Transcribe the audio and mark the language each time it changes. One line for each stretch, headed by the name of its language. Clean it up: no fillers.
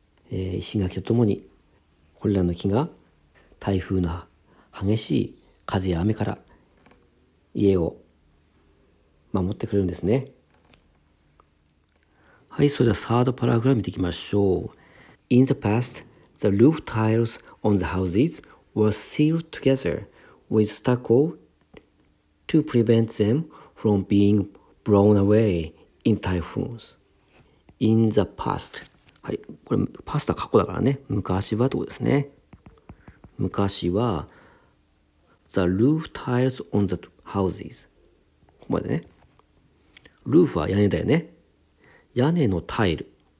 Japanese: 石垣とともに、これらの木が台風の激しい風や雨から家を守ってくれるんですね。はい、それではサードパラグラム見ていきましょう。
English: In the past, the roof tiles on the houses were sealed together with stucco to prevent them from being blown away in typhoons. In the past.
Japanese: はい、これパスタ過去だからね。昔はってことですね。昔は、
English: the roof tiles on the houses。
Japanese: ここまでね。 roof は屋根だよね。屋根のタイル。